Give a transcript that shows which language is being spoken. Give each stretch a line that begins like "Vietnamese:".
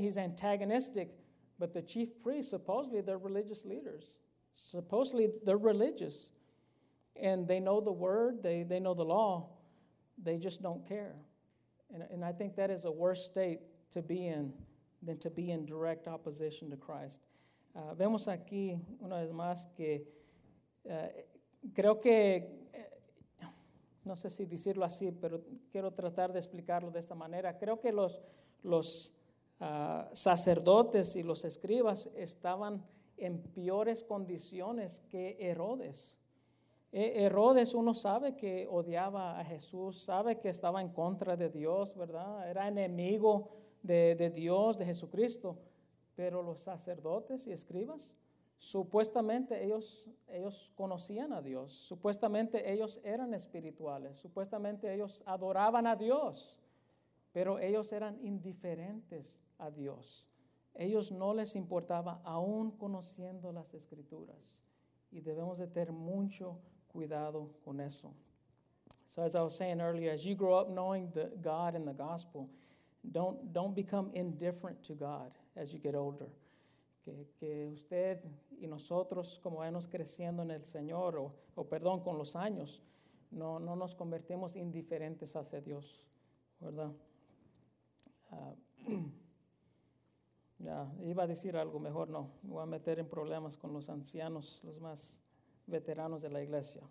English: He's antagonistic. But the chief priests, supposedly, they're religious leaders. Supposedly, they're religious. And they know the word. They know the law. They just don't care. And I think that is a worse state to be in than to be in direct opposition to Christ.
Spanish: Vemos aquí, una vez más, que creo que... No sé si decirlo así, pero quiero tratar de explicarlo de esta manera. Creo que los sacerdotes y los escribas estaban en peores condiciones que Herodes. Herodes, uno sabe que odiaba a Jesús, sabe que estaba en contra de Dios, ¿verdad? Era enemigo de Dios, de Jesucristo. Pero los sacerdotes y escribas, supuestamente ellos conocían a Dios, supuestamente ellos eran espirituales, supuestamente ellos adoraban a Dios, pero ellos eran indiferentes a Dios. Ellos no les importaba aún conociendo las Escrituras, y debemos de tener mucho cuidado con eso.
English: So as I was saying earlier, as you grow up knowing the God and the gospel, don't become indifferent to God as you get older.
Spanish: Que usted y nosotros, como vayamos creciendo en el Señor, o perdón, con los años, no nos convertimos indiferentes hacia Dios, ¿verdad? Iba a decir algo, mejor no. Me voy a meter en problemas con los ancianos, los más veteranos de la iglesia.